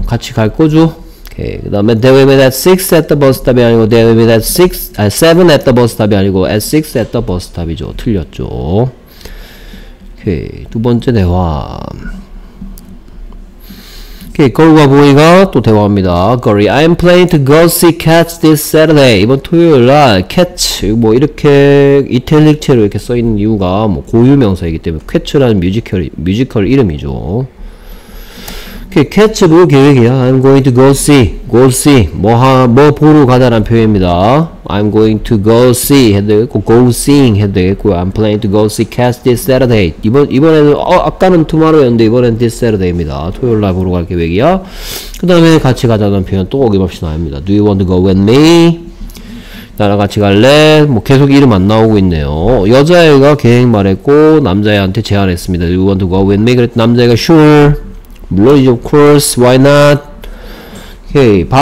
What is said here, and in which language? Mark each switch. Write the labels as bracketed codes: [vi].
[ko] 같이 갈 거죠? [en] 오케이, okay, 그 다음에 They will meet at 6 at the bus stop이 아니고 They will meet at 6, 아니, 7 at the bus stop이 아니고 at 6 at the bus stop이죠. [ko] 틀렸죠. 오케이, okay, 두 번째 대화. 오케이, okay, 걸과 보이가 또 대화합니다. [en] 걸이, I am planning to go see cats this Saturday. [ko] 이번 토요일날 cats 뭐 이렇게 이탈릭체로 이렇게 써있는 이유가 뭐 고유명사이기 때문에 cats라는 뮤지컬 이름이죠. [en] Okay, catch up [ko] 계획이야. [en] I'm going to go see. Go see. [ko] 뭐 보러 가다란 표현입니다. [en] I'm going to go see [ko] 해도 되겠고, [en] go seeing 해도 되겠고, I'm planning to go see catch this Saturday. [ko] 이번에는, 아까는 tomorrow였는데, 이번엔 this Saturday입니다. 토요일 날 보러 갈 계획이야. 그 다음에 같이 가자는 표현 또 어김없이 나옵니다. [en] Do you want to go with me? [ko] 나랑 같이 갈래? 뭐 계속 이름 안 나오고 있네요. 여자애가 계획 말했고 남자애한테 제안했습니다. [en] You want to go with me? [ko] 그랬더니 남자애가 [en] sure. [ko] 물론이죠. [en] Of course. Why not? 오케이.